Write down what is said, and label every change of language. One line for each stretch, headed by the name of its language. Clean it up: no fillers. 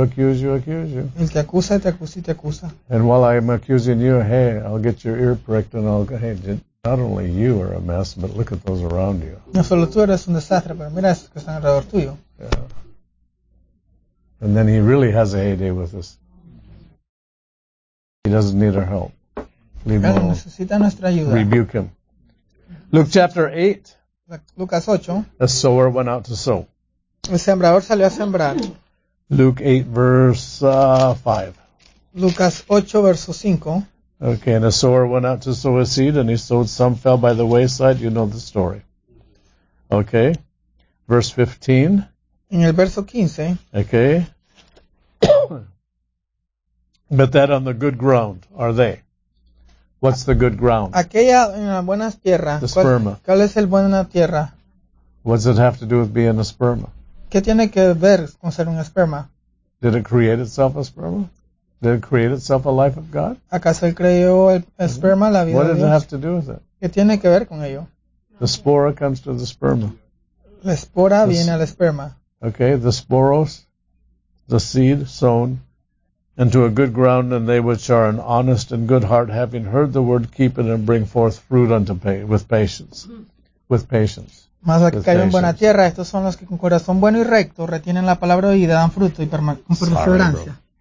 Spanish: El que acusa, te acusa y te acusa.
English: And while I'm accusing you, hey, I'll get your ear pricked and I'll go, hey, not only you are a mess, but look at those around you.
Spanish: No solo tú eres un desastre, pero mira esos que están alrededor tuyo.
English: Yeah. And then he really has a heyday with us. He doesn't need our help. Leave him alone.
Spanish: Necesita nuestra ayuda.
English: Rebuke him. Luke chapter 8.
Spanish: Lucas 8.
English: A sower went out to sow.
Spanish: El sembrador salió a sembrar.
English: Luke 8, verse 5.
Spanish: Lucas 8, verso 5.
English: Okay, and a sower went out to sow a seed, and he sowed some fell by the wayside. You know the story. Okay, verse 15.
Spanish: En el verso 15.
English: Okay. But that on the good ground, are they? What's the good ground?
Spanish: Aquella en la buena tierra.
English: The sperma.
Spanish: ¿Cuál es el buena tierra?
English: What does it have to do with being a sperma?
Spanish: ¿Qué tiene que ver con ser un esperma?
English: Did it create itself a sperma? Did it create itself a life of God?
Spanish: ¿Acaso él creó el esperma, la vida
English: What
Spanish: de
English: did
Spanish: Dios?
English: It have to do with it?
Spanish: ¿Qué tiene que ver con ello?
English: The spora comes to the sperma.
Spanish: La espora viene al esperma.
English: Okay, the sporos, the seed sown into a good ground, and they which are an honest and good heart, having heard the word, keep it and bring forth fruit unto with patience. With patience.
Spanish: Más que cayó en buena tierra, estos son los que con corazón bueno y recto retienen la palabra de vida, dan fruto y con perseverancia.